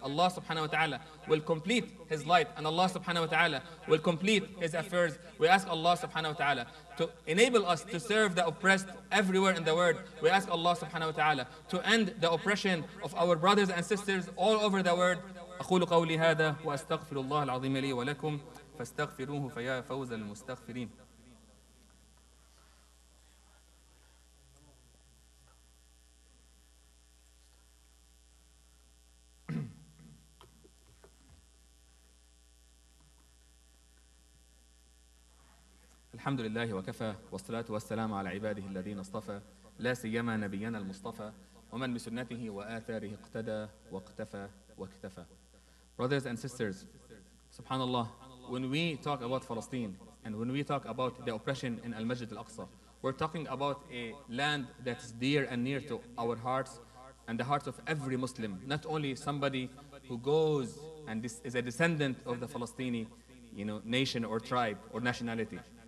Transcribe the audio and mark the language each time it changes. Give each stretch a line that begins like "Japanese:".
English: Allah subhanahu wa ta'ala will complete His light, and Allah subhanahu wa ta'ala will complete His affairs. We ask Allah subhanahu wa ta'ala to enable us to serve the oppressed everywhere in the world. We ask Allah subhanahu wa ta'ala to end the oppression of our brothers and sisters all over the world.
Arabic: أقول قولي هذا وأستغفر الله العظيم لي ولكم. فاستغفروه فيا فوز المستغفرين. الحمد لله وكفى، والصلاة والسلام على عباده الذين اصطفى، لا سيما نبينا المصطفى، ومن بسنته وآثاره اقتدى واقتفى واكتفى.
English: Brothers and sisters, subhanAllah, when we talk about Palestine and when we talk about the oppression in Al-Masjid Al-Aqsa, we're talking about a land that is dear and near to our hearts and the hearts of every Muslim, not only somebody who goes and is a descendant of the Palestinian, you know, nation or tribe or nationality.